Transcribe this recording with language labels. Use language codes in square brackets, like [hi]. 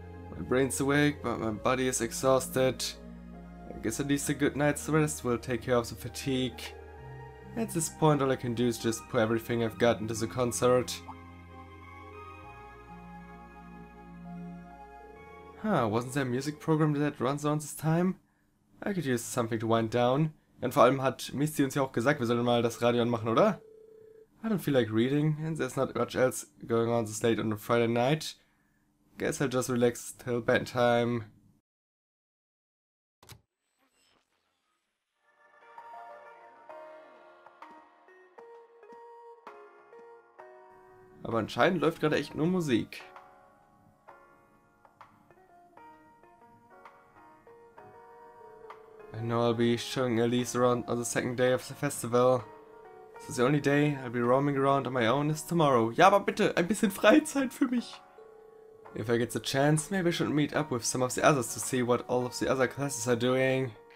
[en] My brain's awake, but my body is exhausted. I guess at least a good night's rest will take care of the fatigue. At this point, all I can do is just put everything I've got into the concert. Huh, wasn't there a music program that runs around this time? I could use something to wind down. [de] Und vor allem hat Misty uns ja auch gesagt, wir sollen mal das Radio anmachen, oder? [en] I don't feel like reading, and there's not much else going on this late on a Friday night. Guess I'll just relax till bedtime. [de] Aber anscheinend läuft gerade echt nur Musik. [en] I know I'll be showing Elise around on the second day of the festival. So the only day I'll be roaming around on my own is tomorrow. [de] Ja, aber bitte, ein bisschen Freizeit für mich. [en] If I get the chance, maybe I should meet up with some of the others to see what all of the other classes are doing.